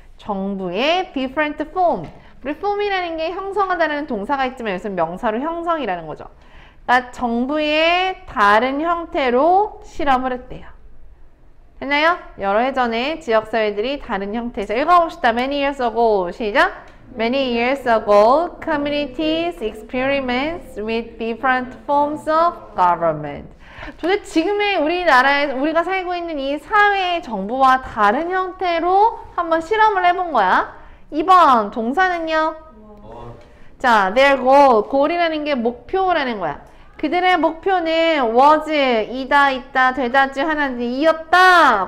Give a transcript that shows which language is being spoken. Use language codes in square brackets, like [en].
[ko] 정부의 [en] different form. [ko] 우리 form이라는 게 형성하다라는 동사가 있지만 여기서 명사로 형성이라는 거죠. 그러니까 정부의 다른 형태로 실험을 했대요. 했나요? 여러 해 전에 지역사회들이 다른 형태에서 읽어봅시다. [en] Many years ago. [ko] 시작. [en] Many years ago, communities experiments with different forms of government. [ko] 도대체 지금의 우리나라에서 우리가 살고 있는 이 사회의 정부와 다른 형태로 한번 실험을 해본 거야. 2번 동사는요. 자, [en] their goal, [ko] goal이라는 게 목표라는 거야. 그들의 목표는 was, 이다, 있다, 되다지, 하나지, 이었다.